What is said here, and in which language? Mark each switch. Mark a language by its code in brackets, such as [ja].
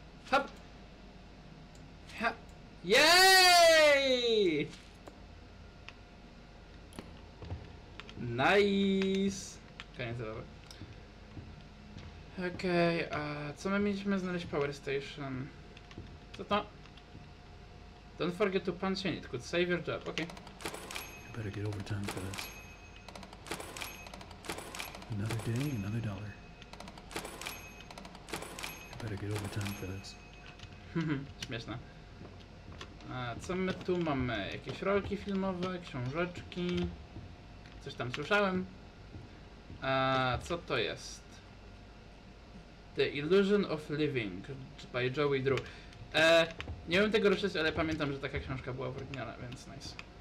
[pl] Hop! Hop! Jej! Nice! Koniec zabawy. Okej, okay, a co my mieliśmy znaleźć power station? Co to? [en] Don't forget to punch in, it could save your job, okej. Okay. You better get over time for this. Another day, another dollar. You better get over time for this. [pl] Śmieszne. A co my tu mamy? Jakieś rolki filmowe, książeczki? Coś tam słyszałem. A co to jest? [en] The Illusion of Living by Joey Drew. [pl] Nie wiem tego ruszyć, ale pamiętam, że taka książka była w oryginale, więc nice.